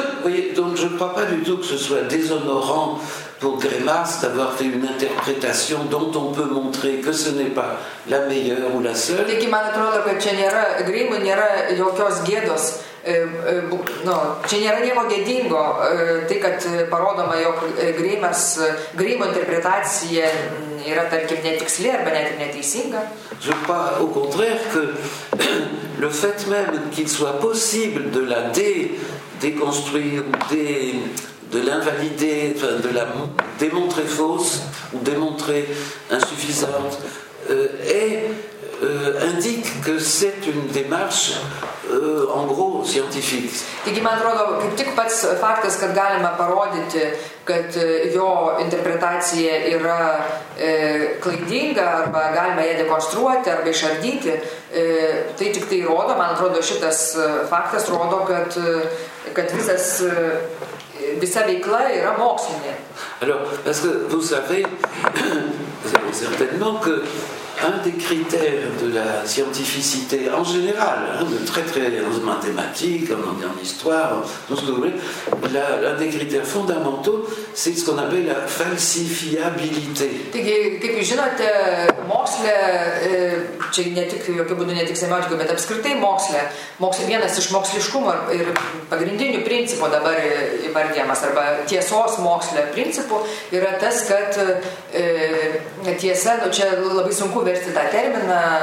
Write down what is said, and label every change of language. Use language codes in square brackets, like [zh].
[fr] Oui, donc je ne crois pas du tout que ce soit déshonorant pour Grémas d'avoir fait une interprétation dont on peut montrer que ce n'est pas la meilleure ou la seule. [lt] Taigi, man atrodo, kad čia nėra Grimui nėra jokios gėdos. No, čia nėra nieko gėdingo tai, kad parodoma, jog Grimo interpretacija yra tarkim netiksli arba net ir neteisinga. [fr] Je crois au contraire que le fait même qu'il soit possible de la déconstruire ou de l'invalider, enfin de la démontrer fausse ou démontrer insuffisante est indique que c'est une démarche en gros scientifique. [lt] Taigi, man atrodo, kaip tik pats faktas, kad galima parodyti, kad jo interpretacija yra klaidinga arba galima ją dekonstruoti arba išardyti, tai tik tai rodo, man atrodo, šitas faktas rodo, kad visas visa veikla yra mokslinė. [fr] Alors, parce que vous savez certainement que un des critères de la scientificité en général, hein, de très très en mathématiques, en histoire, tout ce que vous voulez, l'un des critères fondamentaux, c'est ce qu'on appelle la falsifiabilité. [lt] Taigi, kaip jūs žinote, moksle, čia ne tik, jokio būdu, ne tik semiotikoje, bet apskritai moksle, vienas iš moksliškumo ir pagrindinių principų dabar įvardijamas, arba tiesos moksle principų, yra tas, kad tiesa, nu, čia labai sunku versti tą terminą,